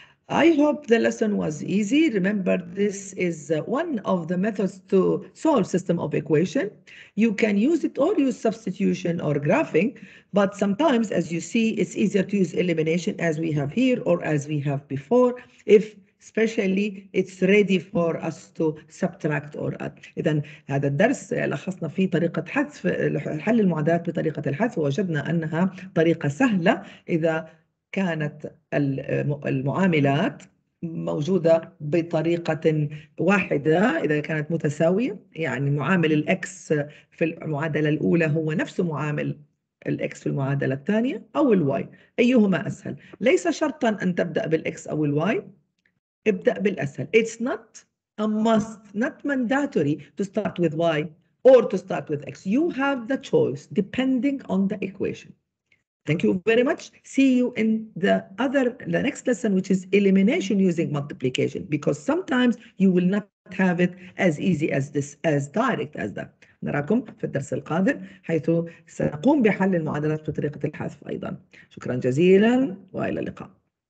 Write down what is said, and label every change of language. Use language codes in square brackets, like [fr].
[en] I hope the lesson was easy. Remember, this is one of the methods to solve system of equation. You can use it or use substitution or graphing, but sometimes, as you see, it's easier to use elimination as we have here or as we have before, if especially it's ready for us to subtract or add. [ar] اذا هذا الدرس لخصنا فيه طريقه حذف حل المعادلات بطريقه الحذف ووجدنا انها طريقه سهله اذا كانت المعاملات موجوده بطريقه واحده اذا كانت متساويه يعني معامل الاكس في المعادله الاولى هو نفس معامل الاكس في المعادله الثانيه او الواي ايهما اسهل ليس شرطا ان تبدا بالاكس او الواي ابدأ بالأسهل. [en] It's not a must, not mandatory to start with Y or to start with X. You have the choice depending on the equation. Thank you very much. See you in the next lesson, which is elimination using multiplication, because sometimes you will not have it as easy as this, as direct as that. [ar] نراكم في الدرس القادم حيث سنقوم بحل المعادلات بطريقة الحذف أيضا. شكرا جزيلا وإلى اللقاء.